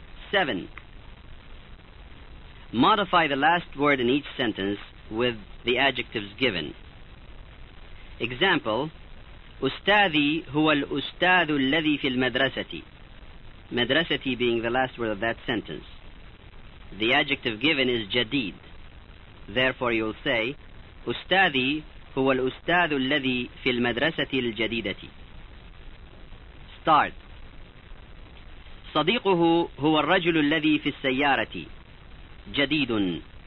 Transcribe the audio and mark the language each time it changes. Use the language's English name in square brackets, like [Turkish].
[English] 7. Modify the last word in each sentence with the adjectives given. [Arabic] Example: أستاذي هو الأستاذ الذي في المدرسة. [English] مدرستي being the last word of that sentence. The adjective given is جديد. Therefore you'll say [Arabic] أستاذي هو الأستاذ الذي في المدرسة الجديدة. [English] Start. [Arabic] صديقه هو الرجل الذي في السيارة. جديد.